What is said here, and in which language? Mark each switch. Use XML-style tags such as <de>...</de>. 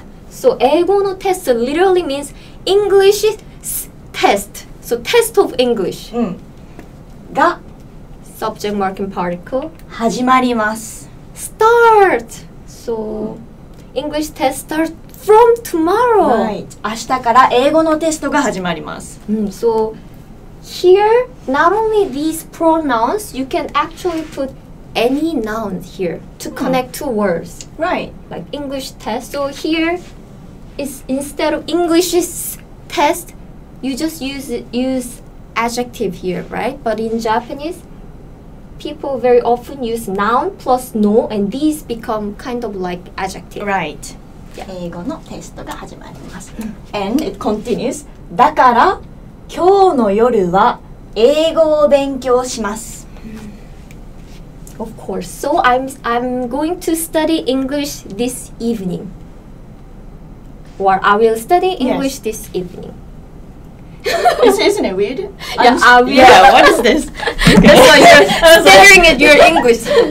<en>So</en> <ja>英語のテスト</ja> <en>literally means English test. So, test of English、</en> <ja>が</ja> <en>Subject, mark, and particle</en> <ja>始まります</ja> <en>Start! So,、English test starts from tomorrow、</en> <ja>明日から英語のテストが始まります、</ja> <en>So, here, not only these pronouns, you can actually put any noun here to connect two words Right Like English test, so here, instead of English's testYou just use adjective here, right? But in Japanese, people very often use noun plus no, and these become kind of like adjective. Right. Yeah.</en> <ja>英語のテストが始まります。</ja> <en>And it continues.</en> <ja>だから今日の夜は英語を勉強します。</ja> <en>Of course. So I'm going to study English this evening. Or I will study English this evening. Isn't it weird? What is this? That's why you're staring at your English.</en>